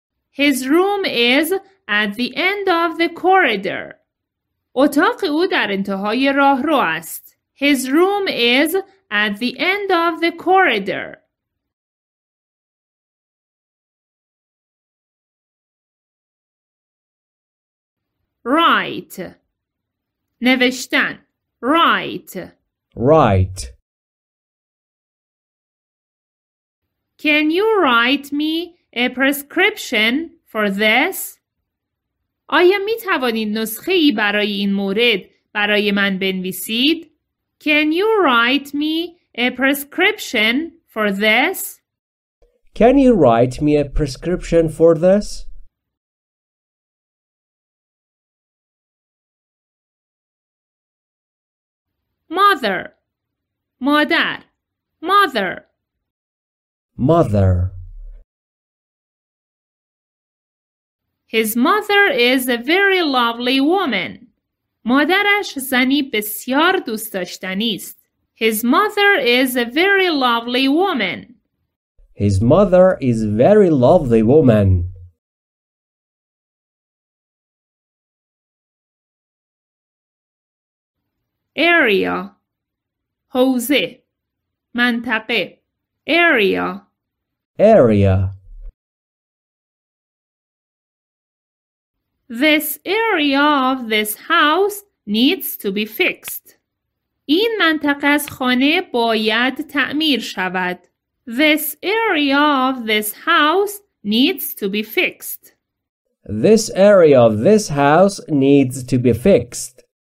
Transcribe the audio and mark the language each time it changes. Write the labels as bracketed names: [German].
[English] His room is at the end of the corridor. [Persian] اتاق او در انتهای راهرو است. [English] His room is at the end of the corridor. Right. نوشتن. Right. Right. Can you write me a prescription for this? [Persian] آیا می توانید نسخه ای برای این مورد برای من بنویسید؟ [English] Can you write me a prescription for this? Can you write me a prescription for this? Mother. مادر. Mother. Mother. His mother is a very lovely woman. [Persian] مادرش زنی بسیار دوست داشتنی است. [English] His mother is a very lovely woman. His mother is a very lovely woman. Area. حوزه. منطقه. Area. Area. This area of this house needs to be fixed. [Persian] این منطقه از خانه باید تعمیر شود. [English] This area of this house needs to be fixed. This area of this house needs to be fixed.